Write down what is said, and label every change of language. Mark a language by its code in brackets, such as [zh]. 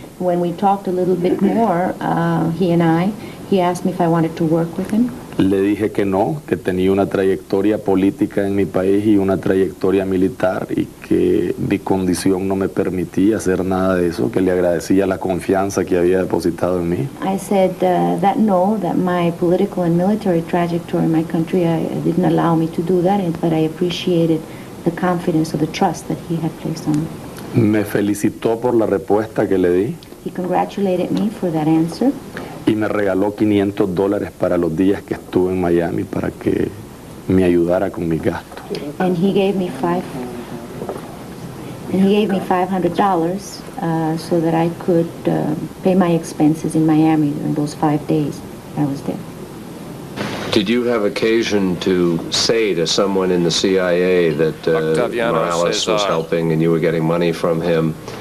[en] When we talked a little bit more, he and I, he asked me if I wanted to work with him. [es] Le dije que no, que tenía una trayectoria política en mi país y una trayectoria militar y que mi condición no me permitía hacer nada de eso, que le agradecía la confianza que había depositado en mí. [en] I said that no, that my political and military trajectory in my country didn't allow me to do that, but I appreciated the confidence or the trust that he had placed on me. [es] Me felicitó por la respuesta que le di. [en] He congratulated me for that answer. [es] Y me regaló $500 para los días que estuve en Miami para que me ayudara con mis gastos. [en] And he gave me $500 so that I could pay my expenses in Miami during those 5 days I was there. Did you have occasion to say to someone in the CIA that Morales was helping and you were getting money from him?